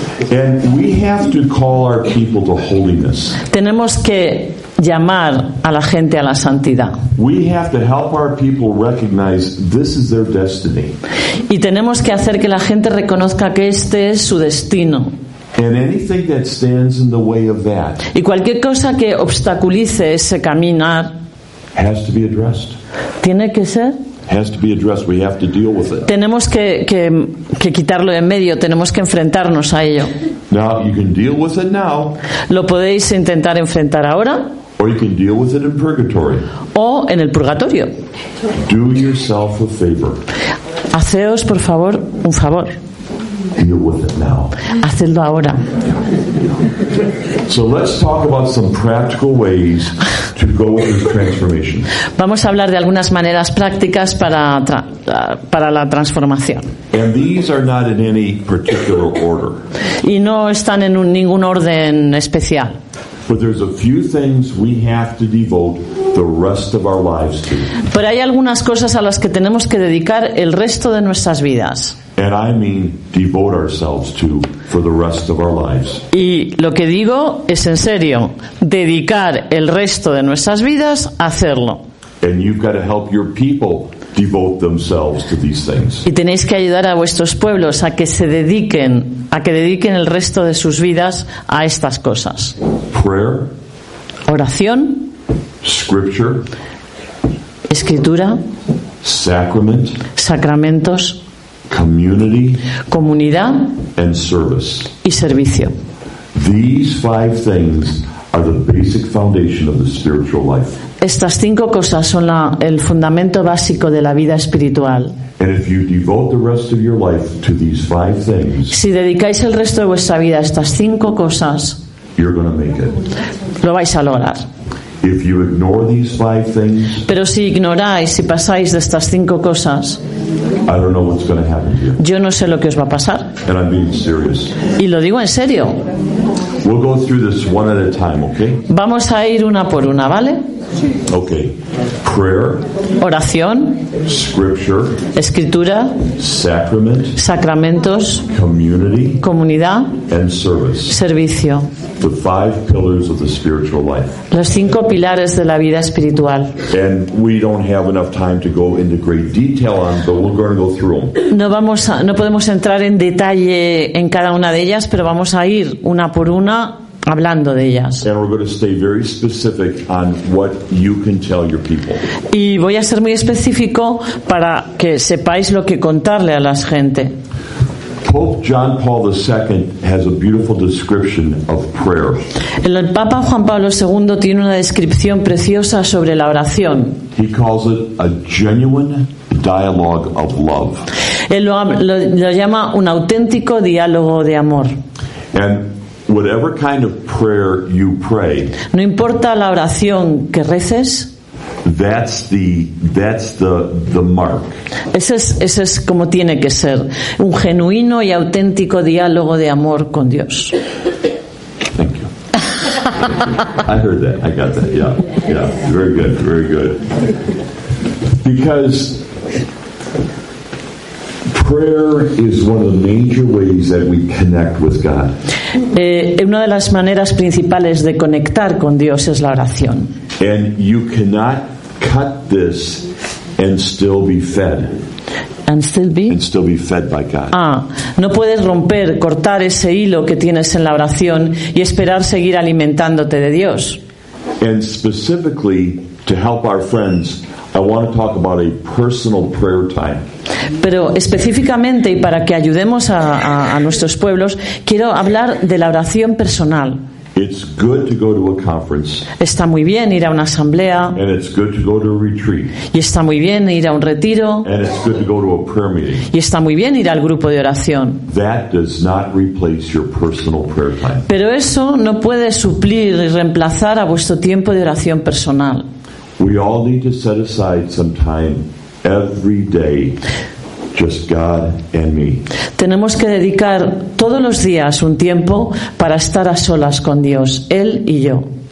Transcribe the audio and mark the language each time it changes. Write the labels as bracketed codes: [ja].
[en] And we have to call our people to holiness. [es] Tenemos que llamar a la gente a la santidad. [en] We have to help our people recognize this is their destiny. [es] Y tenemos que hacer que la gente reconozca que este es su destino. [en] And anything that stands in the way of that, [es] y cualquier cosa que obstaculice ese caminar, [en] has to be addressed. [es] Tiene que ser. [en] Has to be addressed. We have to deal with it. [es] Tenemos que quitarlo de en medio. Tenemos que enfrentarnos a ello. [en] Now you can deal with it now. [es] Lo podéis intentar enfrentar ahora. [en] Or you can deal with it in purgatory. [es] O en el purgatorio. [en] Do yourself a favor. [es] Haceos, por favor, un favor. [en] Deal with it now. [es] Hacedlo ahora. [en] So let's talk about some practical ways to go with this transformation. [es] Vamos a hablar de algunas maneras prácticas para la transformación. [en] And these are not in any particular order. [es] Y no están en ningún orden especial. [en] But there's a few things we have to devote the rest of our lives to. [es] Pero hay algunas cosas a las que tenemos que dedicar el resto de nuestras vidas. [en] And I mean devote ourselves to for the rest of our lives. [es] Y lo que digo es en serio, dedicar el resto de nuestras vidas a hacerlo. [en] And you've got to help your people devote themselves to these things. [es] Y tenéis que ayudar a vuestros pueblos a que se dediquen, a que dediquen el resto de sus vidas a estas cosas. [en] Prayer, [es] oración, [en] scripture, [es] escritura, [en] sacrament, [es] sacramentos, [en] community, [es] comunidad, [en] and service, [es] y servicio. [en] These five things are the basic foundation of the spiritual life. [es] Estas cinco cosas son el fundamento básico de la vida espiritual. [en] And if you devote the rest of your life to these five things, [es] si dedicáis el resto de vuestra vida a estas cinco cosas, [en] you're going to make it. [es] Lo vais a lograr. [en] If you ignore these five things, [es] pero si ignoráis y pasáis de estas cinco cosas, [en] I don't know what's going to happen to you. [es] Yo no sé lo que os va a pasar. [en] And I'm being serious. [es] Y lo digo en serio. [en] We'll go through this one at a time, okay? [es] Vamos a ir una por una, ¿vale? [en] Okay. Prayer. [es] Oración. [en] Scripture. [es] Escritura. [en] Sacrament. [es] Sacramentos. [en] Community. [es] Comunidad. [en] And service. [es] Servicio. [en] The five pillars of the spiritual life. [es] Los cinco pilares de la vida espiritual. [en] And we don't have enough time to go into great detail on, but we're going to go through them. [es] No podemos entrar en detalle en cada una de ellas, pero vamos a ir una por una hablando de ellas. [en] And we're going to stay very specific on what you can tell your people. [es] Y voy a ser muy específico para que sepáis lo que contarle a la gente. [en] Pope John Paul II has a beautiful description of prayer. [es] El Papa Juan Pablo II tiene una descripción preciosa sobre la oración. [en] He calls it a genuine dialogue of love. [es] Él lo llama un auténtico diálogo de amor. [en] And whatever kind of prayer you pray, [es] no importa la oración que reces, [en] That's the mark. [es] Ese es como tiene que ser, un genuino y auténtico diálogo de amor con Dios. [en] Thank you. I heard that. I got that. Yeah. Very good. Very good. Because prayer is one of the major ways that we connect with God. [es] Una de las maneras principales de conectar con Dios es la oración. [en] And you cannot cut this and still be fed. And still be fed by God. [es] Ah, no puedes romper, cortar ese hilo que tienes en la oración y esperar seguir alimentándote de Dios. [en] And specifically to help our friends, I want to talk about a personal prayer time. [es] Pero específicamente y para que ayudemos a nuestros pueblos, quiero hablar de la oración personal. [en] It's good to go to a conference. [es] Está muy bien ir a una asamblea. [en] And it's good to go to a retreat. [es] Y está muy bien ir a un retiro. [en] And it's good to go to a prayer meeting. [es] Y está muy bien ir al grupo de oración. [en] That does not replace your personal prayer time. [es] Pero eso no puede suplir y reemplazar a vuestro tiempo de oración personal. [en] We all need to set aside some time every day. Just God and me. [es] Tenemos que dedicar todos los días un tiempo para estar a solas con Dios, Él y yo.